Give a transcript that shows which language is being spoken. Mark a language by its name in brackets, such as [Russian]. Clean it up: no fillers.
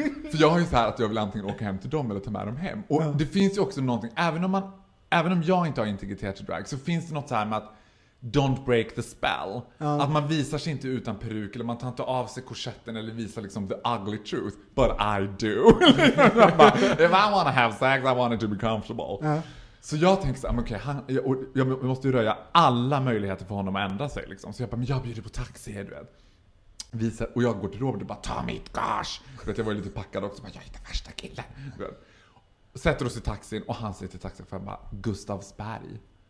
[Swedish] För jag har ju så här att jag vill antingen åka hem till dem eller ta med dem hem. Och det finns ju också någonting, även om jag inte har integritet till drag, så finns det något så här med att [English] don't break the spell. [Swedish] Mm. Att man visar sig inte utan peruk, eller man tar inte av sig korsetten, eller visar liksom [English] the ugly truth. But I do. If I want to have sex, I want it to be comfortable. Mm. [Swedish] Så jag tänker såhär, okay, jag måste ju röja alla möjligheter för honom att ändra sig. Liksom. Så jag bara, men jag bjuder på taxi, du vet. Visar, och jag går till Robert och bara, ta mitt gosh. Vet, jag var ju lite packad också, bara, jag hittar värsta killen. Sätter oss i taxin och han säger till taxin, för jag bara, Gustavsberg.